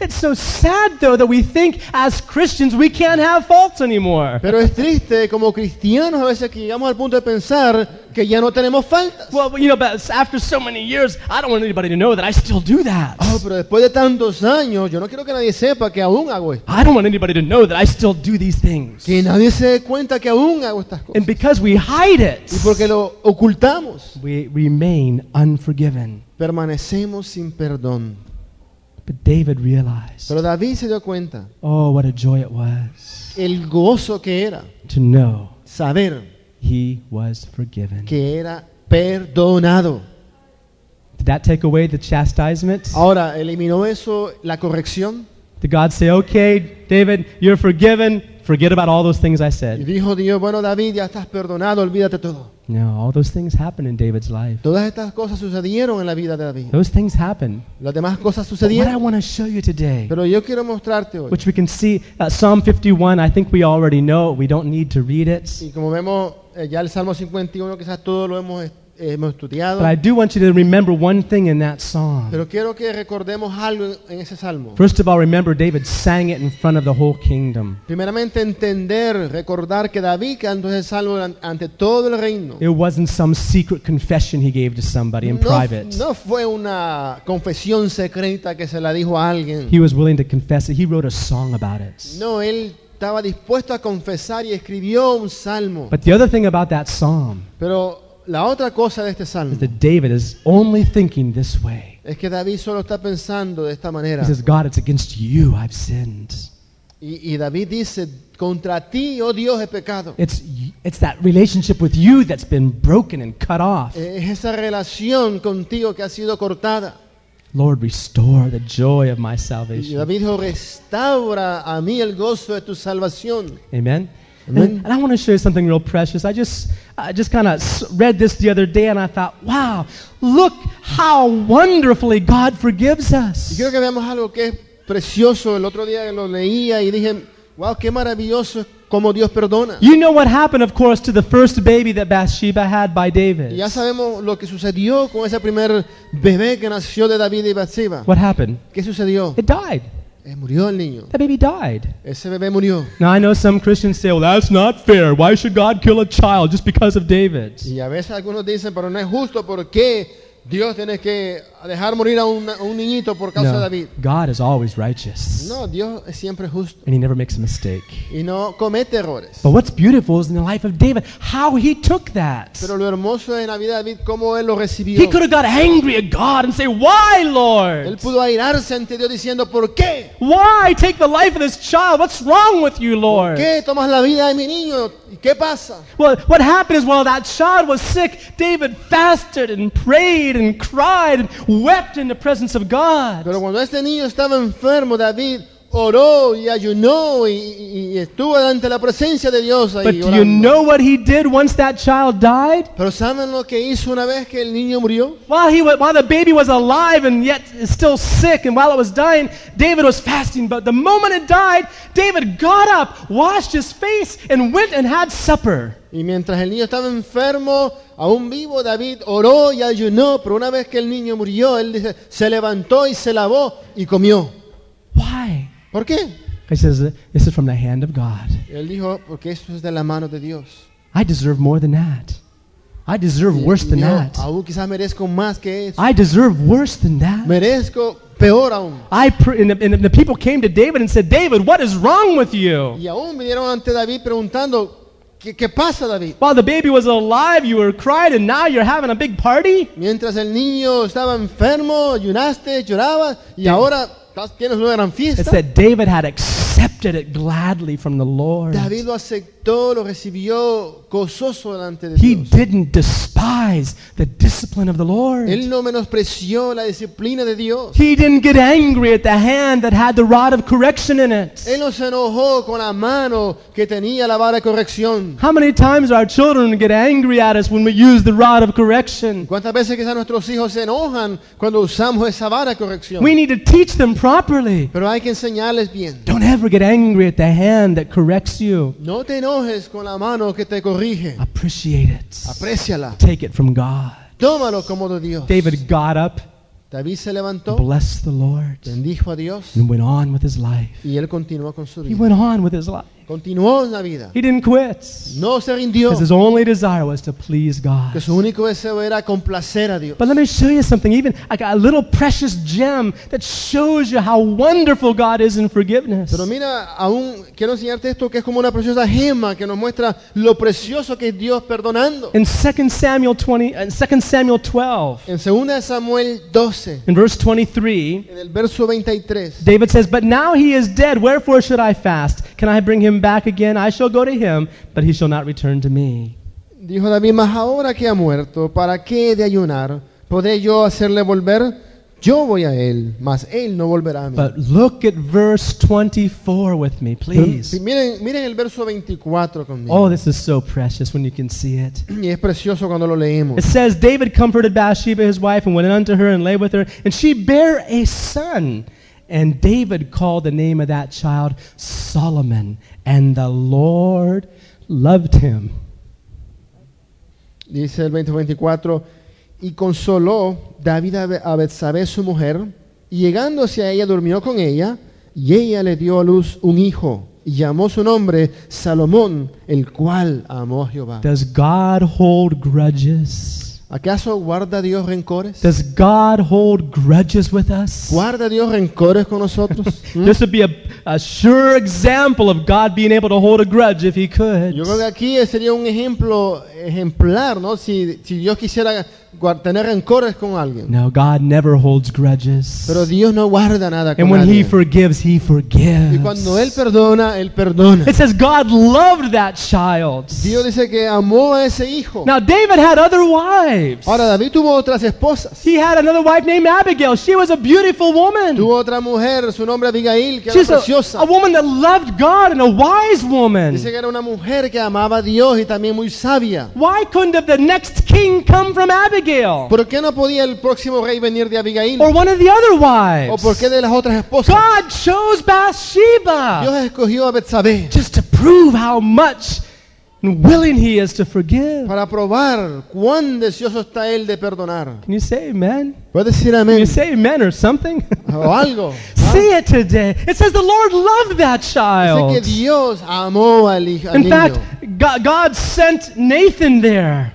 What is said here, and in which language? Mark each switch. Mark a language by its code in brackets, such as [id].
[en] It's so sad though that we think as Christians we can't have faults anymore. [es] Pero es triste como cristianos a veces que llegamos al punto de pensar que ya no tenemos faltas. [en] Well, you know, but after so many years, I don't want anybody to know that I still do that. [es] Oh, pero después de tantos años, yo no quiero que nadie sepa que aún hago esto. [en] I don't want anybody to know that I still do these things. [es] Que nadie se dé cuenta que aún hago estas cosas. [en] And because we hide it, [es] y porque lo ocultamos, [en] we remain unforgiven. [es] Permanecemos sin perdón. [en] But David realized. [es] Pero David se dio cuenta. [en] Oh, what a joy it was. [es] El gozo que era. [en] To know. [es] Saber. [en] He was forgiven. [es] Que era perdonado. [en] Did that take away the chastisement? [es] Ahora, ¿eliminó eso la corrección? [en] Did God say, okay, David, you're forgiven. Forget about all those things I said. [es] Y dijo Dios, bueno, David, ya estás perdonado, olvídate todo. [en] No, all those things happened in David's life. [es] Todas estas cosas sucedieron en la vida de David. [en] Those things happened. [es] Las demás cosas sucedieron. [en] But what I want to show you today. [es] Pero yo quiero mostrarte hoy. [en] Which we can see at Psalm 51, I think we already know, we don't need to read it. [es] Y como vemos ya el Salmo 51, quizás todo lo hemos estudiado. [en] But I do want you to remember one thing in that song. [es] Pero quiero que recordemos algo en ese salmo. [en] First of all, remember David sang it in front of the whole kingdom. [es] Primeramente entender, recordar que David cantó ese salmo ante todo el reino. [en] It wasn't some secret confession he gave to somebody in private. [es] No fue una confesión secreta que se la dijo a alguien. [en] He was willing to confess it. He wrote a song about it. [es] No, él estaba dispuesto a confesar y escribió un salmo. [en] But the other thing about that psalm. [es] Pero la otra cosa de este salmo [en] is that David is only thinking this way. [es] Es que David solo está pensando de esta manera. [en] He says, God, it's against you I've sinned. [es] Y David dice, contra ti, oh Dios, he pecado. [en] It's that relationship with you that's been broken and cut off. [es] Es esa relación contigo que ha sido cortada. [en] Lord, restore the joy of my salvation. [es] Y David dijo, restaura a mí el gozo de tu salvación. [en] Amen. And I want to show you something real precious. I just kind of read this the other day, and I thought, wow, look how wonderfully God forgives us. [es] Y quiero que veamos algo que es precioso. El otro día lo leía y dije, wow, qué maravilloso como Dios perdona. [en] You know what happened, of course, to the first baby that Bathsheba had by David. [es] Y ya sabemos lo que sucedió con ese primer bebé que nació de David y Bathsheba. [en] What happened? [es] ¿Qué sucedió? [en] It died. [es] Murió el niño. [en] The baby died. [es] Ese bebé murió. [en] Now I know some Christians say, well, that's not fair. Why should God kill a child just because of David? [es] Y a veces algunos dicen, pero no es justo porque Dios tiene que dejar morir a un niñito por causa no, de David. [en] God is always righteous. [es] No, Dios es siempre justo. [en] And he never makes a mistake. [es] Y no comete errores. [en] But what's beautiful is in the life of David, how he took that. [es] Pero lo hermoso en la vida de David, cómo él lo recibió. [en] He could have got angry at God and say, why, Lord? [es] Él pudo airarse ante Dios diciendo, ¿por qué? [en] Why take the life of this child? What's wrong with you, Lord? [es] ¿Por qué tomas la vida de mi niño? ¿Qué pasa? [en] Well, what happened is while that child was sick, David fasted and prayed and cried and wept in the presence of God. [es] Pero cuando este niño estaba enfermo, David oró y ayunó y estuvo ante la presencia de Dios ahí. [en] But do you know what he did once that child died? [es] Pero ¿saben lo que hizo una vez que el niño murió? [en] While the baby was alive and yet still sick, and while it was dying, David was fasting. But the moment it died, David got up, washed his face, and went and had supper. [es] Y mientras el niño estaba enfermo, aún vivo, David oró y ayunó. Pero una vez que el niño murió, él se levantó y se lavó y comió. [en] Why? [es] ¿Por qué? [en] He says, this is from the hand of God. [es] Él dijo, porque esto es de la mano de Dios. [en] I deserve more than that. I deserve worse than that. [es] Aún quizás merezco más que eso. [en] I deserve worse than that. [es] Merezco peor aún. [en] And the people came to David and said, David, what is wrong with you? [es] Y aún vinieron ante David preguntando, ¿Qué pasa, David? [en] While the baby was alive, you were crying, and now you're having a big party? [es] Mientras el niño estaba enfermo, ayunaste, llorabas, y ahora tienes una gran fiesta. [en] It said David had accepted it gladly from the Lord. [es] David lo aceptó, lo recibió gozoso delante de [en] he [es] Dios. [en] He didn't despise the discipline of the Lord. [es] Él no menospreció la disciplina de Dios. [en] He didn't get angry at the hand that had the rod of correction in it. [es] Él no se enojó con la mano que tenía la vara de corrección. [en] How many times do our children get angry at us when we use the rod of correction? [es] ¿Cuántas veces quizás nuestros hijos se enojan cuando usamos esa vara de corrección? [en] We need to teach them properly. [es] Pero hay que enseñarles bien. [en] Don't ever get angry at the hand that corrects you. [es] No te enojes con la mano que te corrige. [en] Appreciate it. [es] Apreciala. [en] Take it from God. [es] Tómalo como de Dios. [en] David got up. [es] David se levantó. [en] Blessed the Lord. [es] Bendijo a Dios. [en] And went on with his life. [es] Y él continuó con su vida. [en] He went on with his life. [es] Continuó en la vida. [en] He didn't quit. [es] No se rindió. [en] Because his only desire was to please God. [es] Que su único deseo era complacer a Dios. [en] But let me show you something, even like a little precious gem that shows you how wonderful God is in forgiveness. [es] Pero mira, aún quiero enseñarte esto que es como una preciosa gema que nos muestra lo precioso que es Dios perdonando. [en] In 2 Samuel 12. [es] En 2 Samuel 12. [en] In verse 23. [es] En el verso 23. [en] David says, "But now he is dead. Wherefore should I fast? Can I bring him back again? I shall go to him, but he shall not return to me." [es] Dijo David, mas ahora que ha muerto, ¿para qué he de ayunar? ¿Podré yo hacerle volver? Yo voy a él, mas él no volverá a mí. [en] But look at verse 24 with me, please. [es] Miren el verso 24 conmigo. [en] Oh, this is so precious when you can see it. [es] Y es precioso cuando lo leemos. [en] It says, David comforted Bathsheba, his wife, and went unto her and lay with her, and she bare a son. And David called the name of that child Solomon, and the Lord loved him. [es] Dice el 24, y consoló David a Betsabé su mujer, y llegándose a ella durmió con ella, y ella le dio a luz un hijo, y llamó su nombre Salomón, el cual amó a Jehová. [en] Does God hold grudges? [es] ¿Acaso guarda Dios rencores? [en] Does God hold grudges with us? [es] ¿Guarda Dios rencores con nosotros? [en] This would be a sure example of God being able to hold a grudge if he could. [es] Yo creo que aquí sería un ejemplo ejemplar, ¿no? Si Dios quisiera tener rencores con alguien. [en] No, God never holds grudges. [es] Pero Dios no guarda nada con nadie. [en] And when he forgives, he forgives. [es] Y cuando él perdona, él perdona. [en] It says God loved that child. [es] Dios dice que amó a ese hijo. [en] Now David had other wives. [es] Ahora David tuvo otras esposas. [en] He had another wife named Abigail. She was a beautiful woman. [es] Tuvo otra mujer, su nombre Abigail, que [en] she's [es] era preciosa. [en] A woman that loved God and a wise woman. [es] Dice que era una mujer que amaba a Dios y también muy sabia. [en] Why couldn't the next king come from Abigail? [es] ¿Por qué no podía el próximo rey venir de Abigail? [en] Or one of the other wives. [es] ¿O por qué de las otras esposas? [en] God chose Bathsheba. [es] Dios escogió a Betsabé. [en] Just to prove how much and willing he is to forgive. [es] Para probar cuán deseoso está él de perdonar. [en] Can you say amen? [es] ¿Puedes decir amén? [en] Can you say amen or something? [es] O algo. [en] See it today. It says the Lord loved that child. [es] Dice que Dios amó al hijo. [en] In fact, God sent Nathan there.